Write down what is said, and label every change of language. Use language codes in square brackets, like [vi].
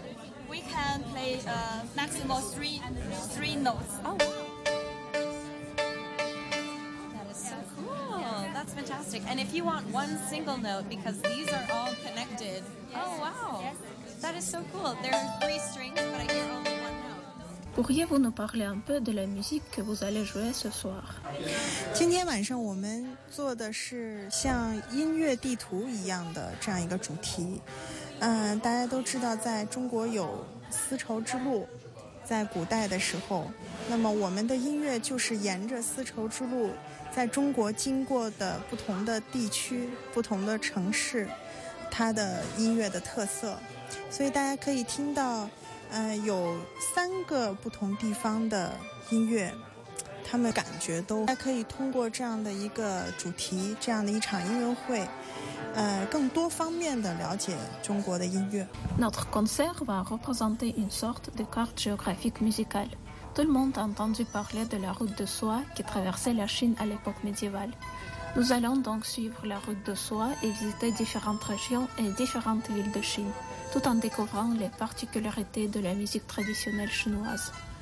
[en] And we can play maximum three notes. Oh, wow. That is so cool. Yeah. That's fantastic. And if you want one single note, because these are all connected. Yes. Oh, wow. Yes. That is so cool. There are three strings, but I hear only one note. [fr] Pourriez-vous nous parler un peu de la musique que vous allez jouer ce soir? [zh] 今天晚上我们做的是像音乐地图一样的这样一个主题。大家都知道在中国有丝绸之路，在古代的时候，那么我们的音乐就是沿着丝绸之路在中国经过的不同的地区、不同的城市，它的音乐的特色。所以大家可以听到，有三个不同地方的音乐，他们感觉都还可以通过这样的一个主题，这样的一场音乐会，更多方面的了解中国的音乐。 [fr] Notre concert va représenter une sorte de carte géographique musicale. Tout le monde a entendu parler de la route de soie qui traversait la Chine à l'époque médiévale. Nous allons donc suivre la route de soie et visiter différentes régions et différentes villes de Chine. Tout en découvrant les particularités de la musique traditionnelle chinoise.